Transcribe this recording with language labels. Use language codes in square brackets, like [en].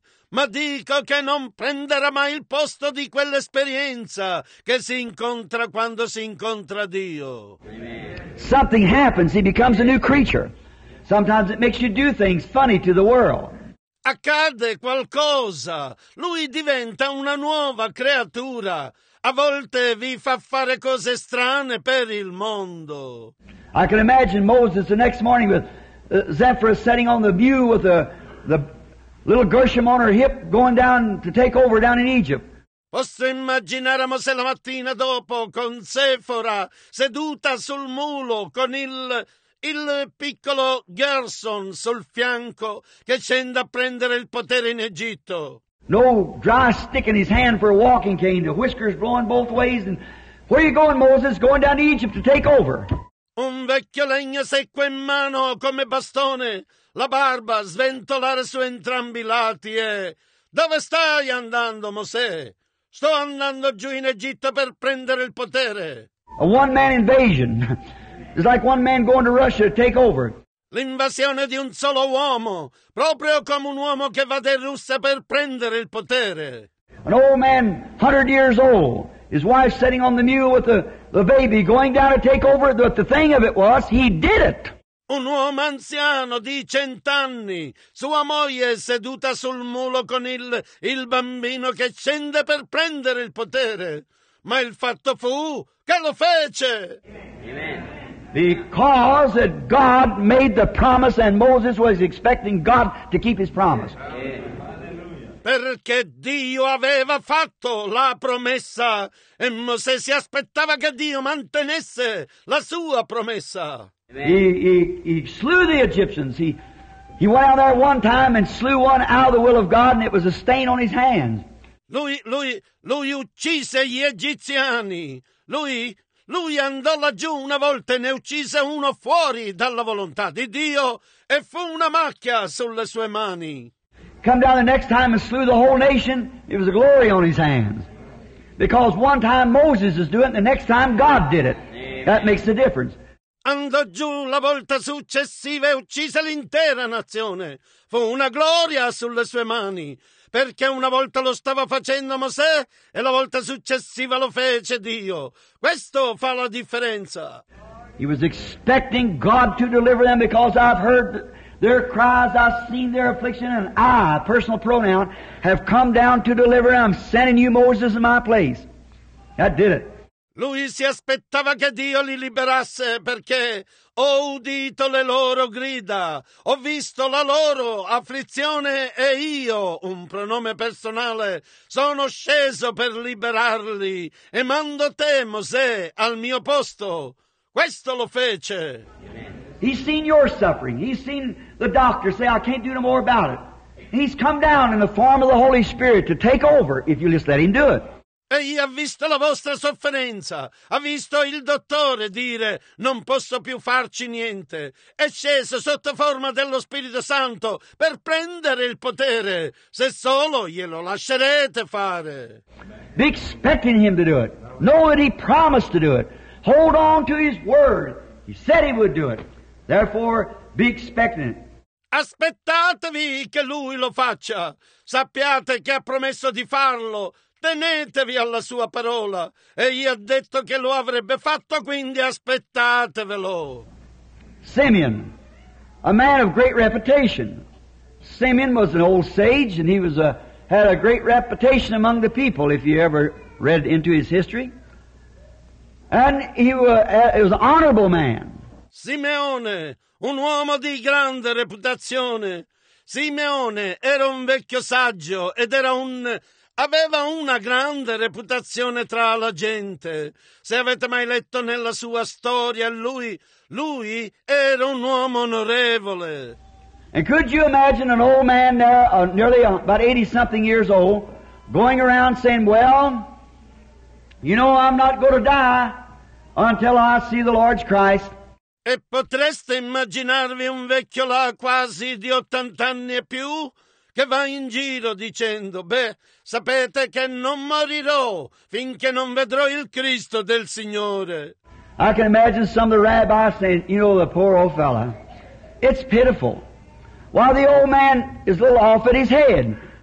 [it] Ma dico che non prenderà mai il posto di quell'esperienza che si incontra quando si incontra Dio. [en] Something happens, he becomes a new creature. Sometimes it makes you do things funny to the world. [it] Accade qualcosa, lui diventa una nuova creatura. A volte vi fa fare cose strane per il mondo. [en] I can imagine Moses the next morning with Zephyr sitting on the view with the little Gershom on her hip, going down to take over down in Egypt. [it] Posso immaginare Mosè la mattina dopo con Sephora seduta sul mulo con il piccolo Gershom sul fianco che scende a prendere il potere in Egitto. [en] No dry stick in his hand for a walking cane, the whiskers blowing both ways. And where are you going, Moses? Going down to Egypt to take over. [it] Un vecchio legno secco in mano come bastone. La barba sventolare su entrambi i lati e... Dove stai andando, Mosè? Sto andando giù in Egitto per prendere il potere. [en] A one-man invasion. It's like one man going to Russia to take over. [it] L'invasione di un solo uomo, proprio come un uomo che va in Russia per prendere il potere. [en] An old man, 100 years old, his wife sitting on the mule with the baby, going down to take over, but the thing of it was, he did it. [it] Un uomo anziano di 100 anni, sua moglie seduta sul mulo con il bambino che scende per prendere il potere. Ma il fatto fu che lo fece. [en] Because that God made the promise and Moses was expecting God to keep his promise. [it] Perché Dio aveva fatto la promessa e Mosè si aspettava che Dio mantenesse la sua promessa. [en] He slew the Egyptians. He went out there one time and slew one out of the will of God, and it was a stain on his hands. [it] Lui uccise gli egiziani. Lui andò laggiù una volta e ne uccise uno fuori dalla volontà di Dio, e fu una macchia sulle sue mani. [en] Come down the next time and slew the whole nation. It was a glory on his hands, because one time Moses is doing it, and the next time God did it. That makes the difference. [it] Andò giù la volta successiva e uccise l'intera nazione. Fu una gloria sulle sue mani, perché una volta lo stava facendo Mosè e la volta successiva lo fece Dio. Questo fa la differenza. [en] He was expecting God to deliver them, because I've heard their cries, I've seen their affliction, and I, personal pronoun, have come down to deliver them. I'm sending you Moses in my place. That did it. [it] Lui si aspettava che Dio li liberasse perché ho udito le loro grida, ho visto la loro afflizione e io, un pronome personale, sono sceso per liberarli e mando te, Mosè, al mio posto. Questo lo fece. [en] He's seen your suffering. He's seen the doctor say, I can't do no more about it. He's come down in the form of the Holy Spirit to take over if you just let him do it. [it] Egli ha visto la vostra sofferenza, ha visto il dottore dire non posso più farci niente, è sceso sotto forma dello Spirito Santo per prendere il potere, se solo glielo lascerete fare. [en] Be expecting him to do it, know that he promised to do it, hold on to his word, he said he would do it, therefore be expecting it. [it] Aspettatevi che lui lo faccia, sappiate che ha promesso di farlo. Tenetevi alla sua parola. Egli ha detto che lo avrebbe fatto, quindi aspettatevelo. [en] Simeon, a man of great reputation. Simeon was an old sage and he was had a great reputation among the people, if you ever read into his history. And he was an honorable man. [it] Simeone, un uomo di grande reputazione. Simeone era un vecchio saggio ed era un... aveva una grande reputazione tra la gente. Se avete mai letto nella sua storia, lui era un uomo onorevole. [en] And could you imagine an old man there, nearly about 80-something years old, going around saying, well, you know, I'm not going to die until I see the Lord's Christ. [it] E potreste immaginarvi un vecchio là quasi di 80 anni e più? Che va in giro dicendo, beh, sapete che non morirò finché non vedrò il Cristo del Signore. [en] I can imagine some of the rabbis saying, you know, the poor old fella, it's pitiful. While the old man is a little off at his head.